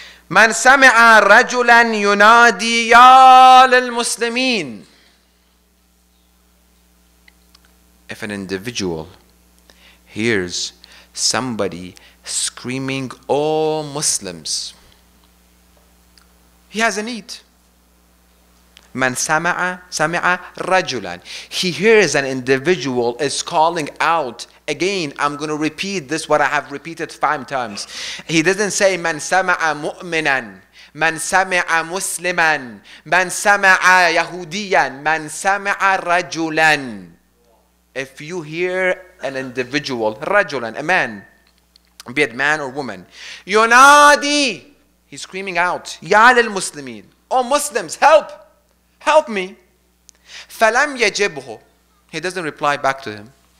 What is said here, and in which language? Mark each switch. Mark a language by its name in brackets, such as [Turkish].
[Arabic] من سمع رجلا ينادي يا للمسلمين. [English] If an individual hears somebody screaming, all Muslims, he has a need. [Arabic] من سمع سمع رجلا. [English] He hears an individual is calling out. Again, I'm going to repeat this what I have repeated 5 times. He doesn't say [Arabic] من سمع مؤمنا, من سمع مسلما, من سمع يهوديا, من سمع رجلا. [English] If you hear an individual, [Arabic] رجلا, [English] a man, be it man or woman, [Arabic] ينادي, [English] he's screaming out, [Arabic] يا للمسلمين, [English] oh Muslims, help. Help me. [Arabic] فَلَمْ يَجِبْهُ. [English] He doesn't reply back to him.